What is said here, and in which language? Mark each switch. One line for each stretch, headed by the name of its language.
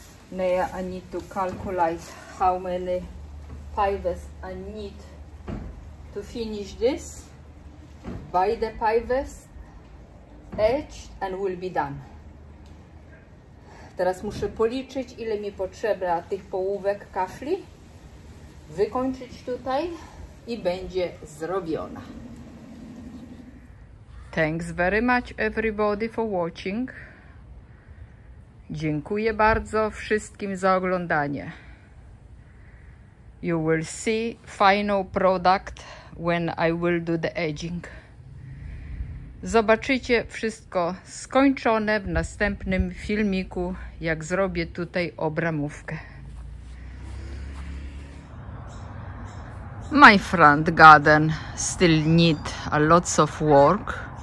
English: Now I need to calculate how many pivots I need to finish this by the pivots edge and will be done.
Polish: Teraz muszę policzyć, ile mi potrzeba tych połówek kafli, wykończyć tutaj i będzie zrobiona.
English: Thanks very much everybody for watching.
Polish: Dziękuję bardzo wszystkim za oglądanie.
English: You will see final product when I will do the edging.
Polish: Zobaczycie wszystko skończone w następnym filmiku, jak zrobię tutaj obramówkę.
English: My front garden still need a lot of work.